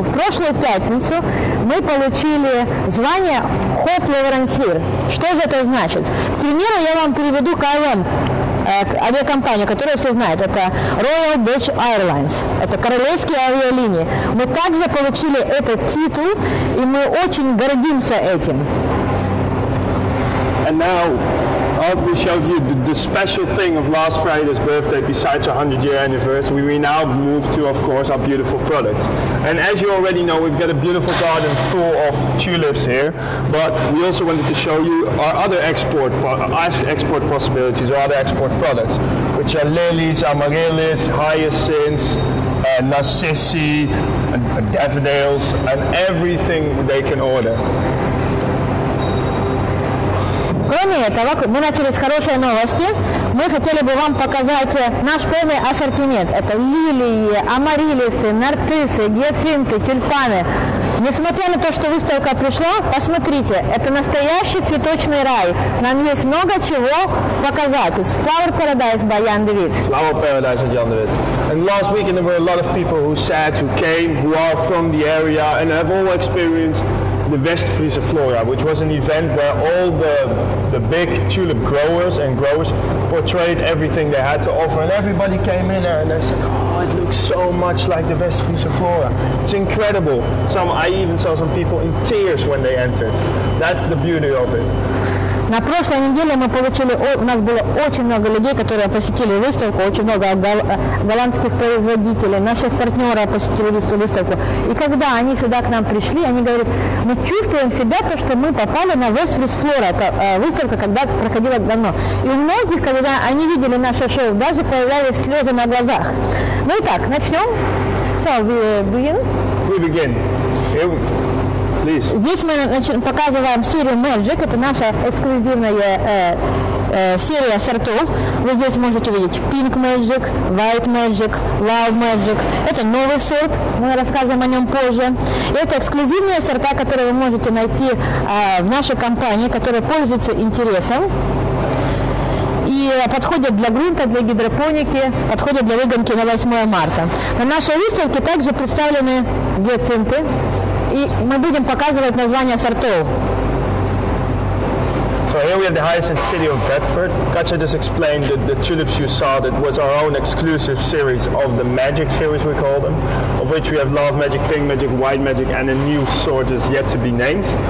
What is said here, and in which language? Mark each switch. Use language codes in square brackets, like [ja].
[ru] В прошлую пятницу мы получили звание Hofleverancier. Что же это значит? К примеру, я вам переведу KLM. Авиакомпания, которую все знают, это Royal Dutch Airlines, это королевские авиалинии. Мы также получили этот титул, и мы очень гордимся этим. [en] And now, after we showed you the special thing of last Friday's birthday, besides 100 year anniversary, we now move to, of course, our beautiful product. And as you already know, we've got a beautiful garden full of tulips here, but we also wanted to show you our other export possibilities, or other export products, which are lilies, amaryllises, hyacinths, narcissi, daffodils, and everything they can order. [ru] Кроме этого, мы начали с хорошей новости. Мы хотели бы вам показать наш полный ассортимент. Это лилии, амариллисы, нарциссы, гиацинты, тюльпаны. Несмотря на то, что выставка пришла, посмотрите, это настоящий цветочный рай. Нам есть много чего показать. [en] It's Flower Paradise by Jan de Wit. Flower Paradise by Jan de Wit. And last weekend there were a lot of people who said, who came, who are from the area and have all experienced the West Friese Flora, which was an event where all the big tulip growers and growers portrayed everything they had to offer, and everybody came in there and they said, oh, it looks so much like the West Friese Flora. It's incredible. I even saw some people in tears when they entered. That's the beauty of it. [ru] На прошлой неделе мы получили, у нас было очень много людей, которые посетили выставку, очень много голландских производителей, наших партнеров посетили выставку. И когда они сюда к нам пришли, они говорят, мы чувствуем себя, то, что мы попали на West Friese Flora, это выставка, когда проходила давно. И у многих, когда они видели наше шоу, даже появлялись слезы на глазах. Ну и так, начнем. [en] So, we begin. We begin. [ru] Здесь мы показываем серию Magic, это наша эксклюзивная серия сортов. Вы здесь можете увидеть Pink Magic, White Magic, Love Magic. Это новый сорт, мы расскажем о нем позже. Это эксклюзивные сорта, которые вы можете найти в нашей компании, которые пользуются интересом. И подходят для грунта, для гидропоники, подходят для выгонки на 8 марта. На нашей выставке также представлены гиацинты. И мы будем показывать названия сортов. [en] So here we have the hyacinth city of Bedford. Katja just explained that the tulips you saw, that was our own exclusive series of the Magic series, we call them, of which we have Love Magic, Pink Magic, White Magic, and a new sort is yet to be named.